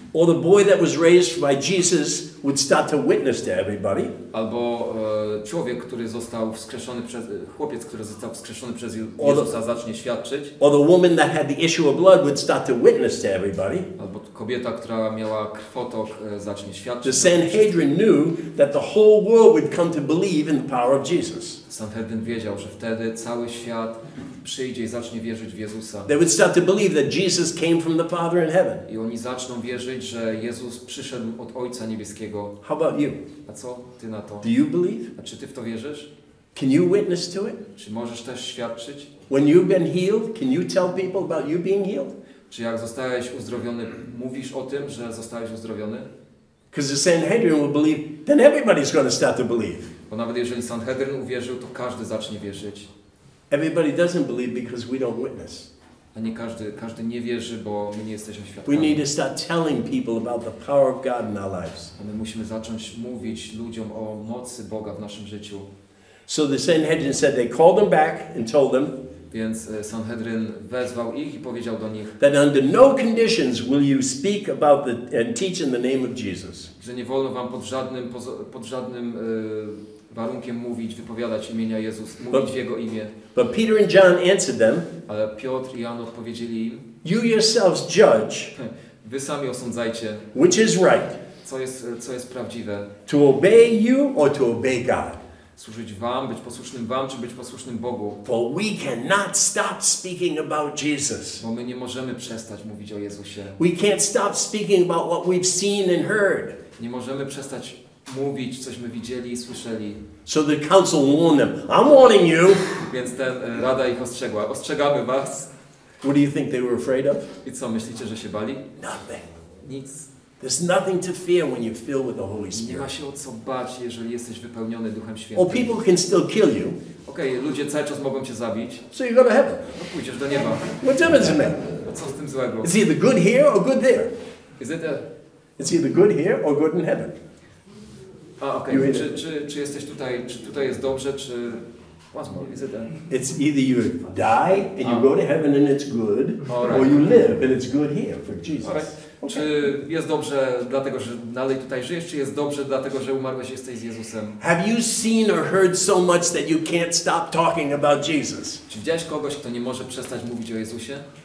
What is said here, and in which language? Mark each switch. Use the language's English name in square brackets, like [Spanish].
[English] Or the boy that was raised by Jesus would start to witness to everybody. [Polish] Albo człowiek, który został wskrzeszony przez chłopiec, który został wskrzeszony przez Jezusa, zacznie świadczyć. [English] Or the woman that had the issue of blood would start to witness to everybody. [Polish] Albo kobieta, która miała krwotok, zacznie świadczyć. [English] The Sanhedrin knew that the whole world would come to believe in the power of Jesus. [Polish] Sanhedrin wiedział, że wtedy cały świat przyjdzie i zacznie wierzyć w Jezusa. [English] They would start to believe that Jesus came from the Father in heaven. [Polish] I oni zaczną wierzyć, że Jezus przyszedł od Ojca Niebieskiego. [English] How about you? [Polish] A co ty na to? [English] Do you believe? [Polish] A czy ty w to wierzysz? [English] Can you witness to it? [Polish] Czy możesz też świadczyć? [English] When you've been healed, can you tell people about you being healed? [Polish] Czy jak zostałeś uzdrowiony, mówisz o tym, że zostałeś uzdrowiony? [English] Because the Sanhedrin will believe, then everybody's going to start to believe. [Polish] Bo nawet jeżeli Sanhedrin uwierzył, to każdy zacznie wierzyć. [English] Everybody doesn't believe because we don't witness. [Polish] A nie każdy nie wierzy, bo my nie jesteśmy świadkami. [English] We need to start telling people about the power of God in our lives. [Polish] A my musimy zacząć mówić ludziom o mocy Boga w naszym życiu. [English] So the Sanhedrin said they called them back and told them. [Polish] Więc Sanhedrin wezwał ich i powiedział do nich. [English] That under no conditions will you speak about the and teach in the name of Jesus. [Polish] Że nie wolno wam pod żadnym warunkiem mówić, wypowiadać imienia Jezus, mówić w jego imię. [English] But Peter and John answered them. [Polish] Ale Piotr i Jan odpowiedzieli im. [English] You yourselves judge. [Polish] Wy sami osądzajcie. [English] Which is right. [Polish] Co jest prawdziwe. [English] To obey you or to obey God. [Polish] Służyć wam, być posłusznym wam, czy być posłusznym Bogu. [English] For we cannot stop speaking about Jesus. [Polish] Bo my nie możemy przestać mówić o Jezusie. [English] We can't stop speaking about what we've seen and heard. [Polish] Nie możemy przestać mówić, cośmy widzieli i słyszeli. [English] So the council warned them. I'm warning you. [Polish] Więc ta rada ich ostrzegła. Ostrzegamy was. [English] What do you think they were afraid of? [Polish] I co myślicie, że się bali? [English] Nothing. [Polish] Nic. [English] There's nothing to fear when you're filled with the Holy Spirit. [Polish] Nie ma się o co bać, jeżeli jesteś wypełniony Duchem Świętym. [English] Or people can still kill you. [Polish] Okej, ludzie cały czas mogą cię zabić. [English] So you go to heaven. [Polish] No pójdziesz do nieba. [English] What difference does it make? [Polish] Co z tym złego? [English] It's either good here or good there. It's either good here or good in heaven. A, okej. Okay. [Polish] Czy jesteś tutaj, czy tutaj jest dobrze, czy... [English] What's more, is it then? It's either you die and you go to heaven and it's good, or you live and it's good here for Jesus. Alright. Okay. [Polish] Czy jest dobrze dlatego, że dalej tutaj żyjesz, czy jest dobrze dlatego, że umarłeś i jesteś z Jezusem? [English] Have you seen or heard so much that you can't stop talking about Jesus? [Polish] Czy widziałeś kogoś, kto nie może przestać mówić o Jezusie?